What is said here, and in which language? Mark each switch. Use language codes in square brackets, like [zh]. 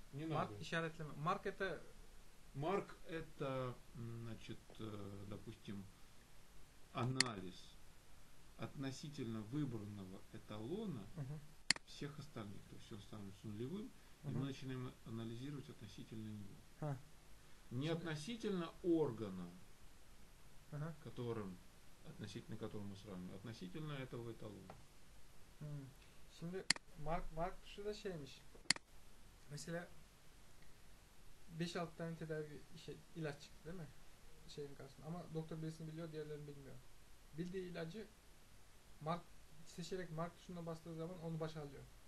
[tr] Mark işaretleme. Mark это [ru] Марк это, значит, допустим, анализ относительно выбранного эталона всех остальных. То есть он становится нулевым, и мы начинаем анализировать относительно него. Не относительно органа, которым, относительно которого мы сравниваем, относительно этого эталона. [tr] Şimdi Mark şurada şeymiş. Mesela 5-6 tane tedavi şey ilaç çıktı değil mi? Şeyin karşısında. Ama doktor birisini biliyor, diğerlerini bilmiyor. Bildiği ilacı Mark seçerek Mark tuşuna bastığı zaman onu başarıyor.